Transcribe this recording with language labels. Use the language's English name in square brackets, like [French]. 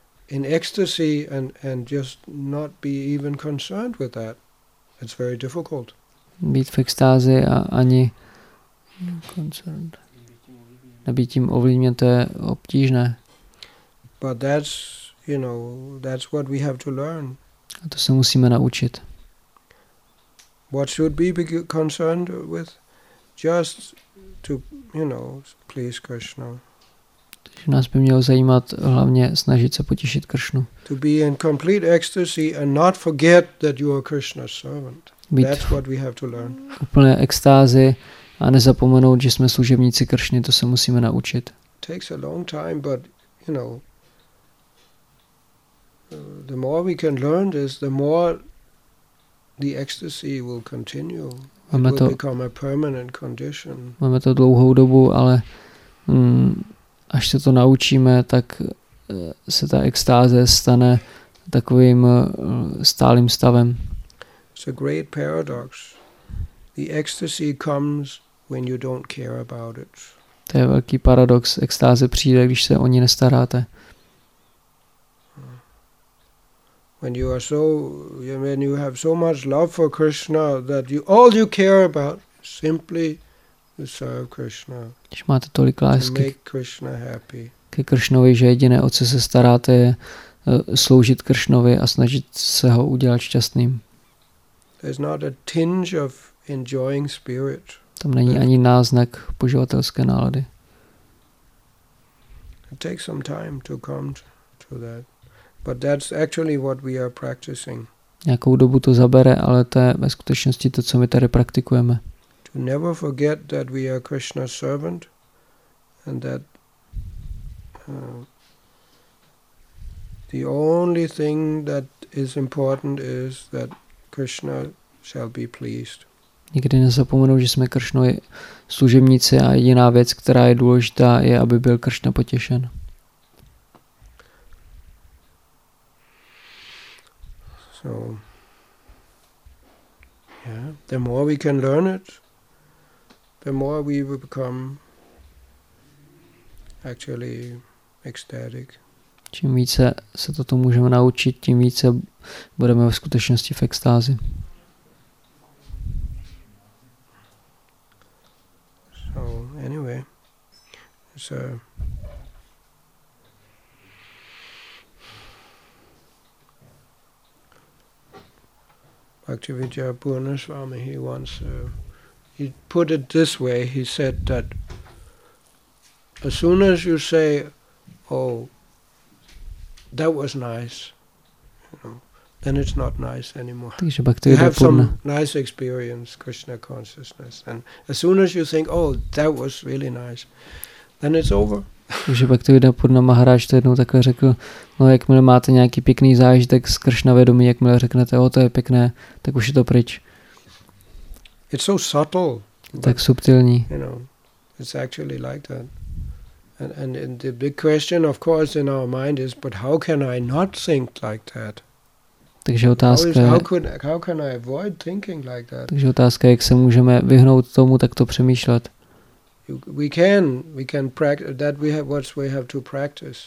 [English] In ecstasy and just not be even concerned with that, it's very difficult. [Czech] Být v extázi a ani [English] concerned. [Czech] Nebýt tím ovlivněn, to je obtížné. [English] But that's, you know, that's what we have to learn. [Czech] A to se musíme naučit. [English] What should we be concerned with? Just to, you know, please Krishna. [Czech] Že nás by mělo zajímat hlavně snažit se potěšit Kršnu. [English] To be in complete ecstasy and not forget that you are Krishna's servant. That's what we have to learn. [Czech] Úplné extázy a nezapomenout, že jsme služebníci Kršny, to se musíme naučit. [English] It takes a long time, but you know, the more we can learn this, the more the ecstasy will continue. [Czech] Máme to, [English] it will become a permanent condition. [Czech] Máme to dlouhou dobu, ale až se to naučíme, tak se ta extáze stane takovým stálým stavem. [English] It's a great paradox. The ecstasy comes when you don't care about it. [Czech] To je velký paradox. Extáze přijde, když se o ní nestaráte. [English] When you are so, when you have so much love for Krishna that you all you care about simply to serve Krishna. [Czech] Když máte tolik lásky [English] to make Krishna happy. [Czech] Ke Kršnovi, že jediné, o co se staráte, je sloužit Kršnovi a snažit se ho udělat šťastným. [English] There's not a tinge of enjoying spirit. [Czech] Tam není ani náznak poživatelské nálady. [English] It takes some time to come to that. But that's actually what we are practicing. [Czech] Nějakou dobu to zabere, ale to je ve skutečnosti to, co my tady praktikujeme. [English] To never forget that we are Krishna's servant and that the only thing that is important is that Krishna shall be pleased. [Czech] Nikdy nezapomenout, že jsme Kršnovi služebníci a jediná věc, která je důležitá, je, aby byl Kršna potěšen. [English] So, yeah, the more we can learn it, the more we will become actually ecstatic. [Czech] Čím více se toto můžeme naučit, tím více budeme ve skutečnosti v extázi. [English] So anyway, so Bhaktivedanta Purnaswami, he wants he put it this way. He said that as soon as you say, "Oh, that was nice," you know, then it's not nice anymore. You have some nice experience, Krishna consciousness, and as soon as you think, "Oh, that was really nice," then it's over. [Czech] Takže pak to jde pod nama hráč, to jednou takhle řekl, no jakmile máte nějaký pěkný zážitek z Kršna vědomí, jakmile řeknete, o, to je pěkné, tak už je to pryč. [English] It's so subtle. [Czech] Tak subtilní. [English] You know, it's actually like that. And the big question, of course, in our mind is, but how can I not think like that? [Czech] Takže otázka je, [English] how can I avoid thinking like that? [Czech] Takže otázka je, jak se můžeme vyhnout tomu takto přemýšlet. [English] We can practice that we have to practice.